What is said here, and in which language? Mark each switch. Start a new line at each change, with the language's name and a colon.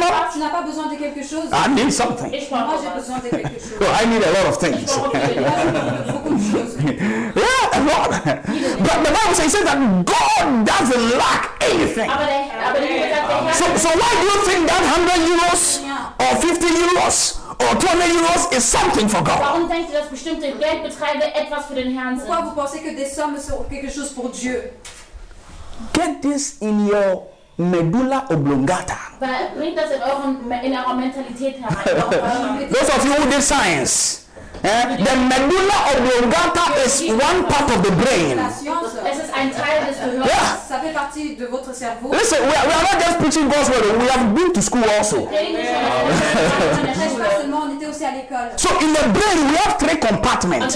English: No? I need something. I need a lot of things. Yeah, a lot. But the Bible says that God doesn't lack anything. So why do you think that 100 euros or 50 euros or 20 euros is something for God?
German: Warum denkst du, dass bestimmte Geldbetreiber etwas für den Herrn sind?
French: Pourquoi vous pensez que des sommes sont quelque chose pour Dieu?
English: Get this in your medulla oblongata.
German: Bring das in eurer Mentalität herein.
English: Those of you who did science. Yeah? The medulla oblongata is one part of the brain. Yeah. Listen, we are not just preaching God's word. We have been to school also. So in the brain, we have three compartments.